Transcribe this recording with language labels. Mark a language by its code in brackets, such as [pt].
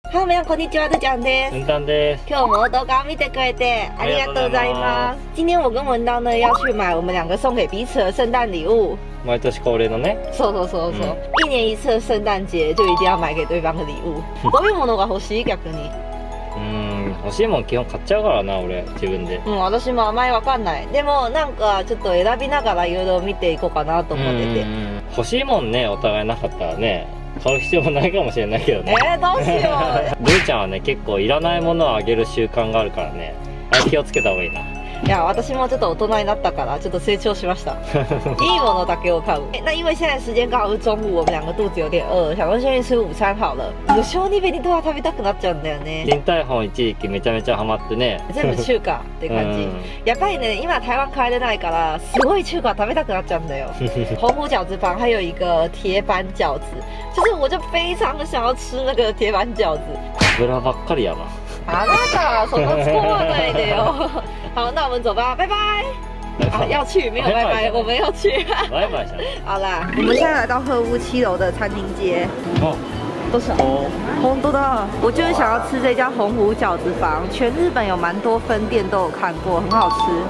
[ja] はい、みなさんこんにちは、ズちゃんです。文丹です。今日も動画を見てくれてありがとうございます。 [zh] 今年我跟文丹呢要去买我们两个送给彼此的圣诞礼物。 [ja] 毎年恒例のね。そうそうそうそう、 [zh] 一年一次的圣诞节就一定要买给对方的礼物。 [ja] どういうものが欲しい逆に。欲しいもん基本買っちゃうからな俺自分で。私もあまり分かんない。でもなんかちょっと選びながらいろいろ見ていこうかなと思ってて。欲しいもんね、お互いなかったらね買う必要もないかもしれないけどね。どうしよう。ルイちゃんはね結構いらないものをあげる習慣があるからね、あれ気をつけた方がいいな。いや、私もちょっと大人になったからちょっと成長しました。いいものだけを買う。 [zh] 那因为现在时间刚好是中午，我们两个肚子有点饿，想说先去吃午餐好了。 [ja] 無性に弁当は食べたくなっちゃうんだよね。林太宏一時期めちゃめちゃハマってね。全部中華って感じ。やっぱりね、今台湾帰れないからすごい中華食べたくなっちゃうんだよ。 [zh] 紅虎餃子房还有一个铁板饺子，就是我就非常的想要吃那个铁板饺子。 [ja] 油ばっかりやな。あなた、そんな使わないでよ。 [zh] 好，那我们走吧，拜拜。啊，要去没有？拜拜，我们要去。拜拜。好啦，我们现在来到鹤屋七楼的餐厅街。哦，多少？红多的。我就是想要吃这家红虎饺子房，全日本有蛮多分店都有看过，很好吃。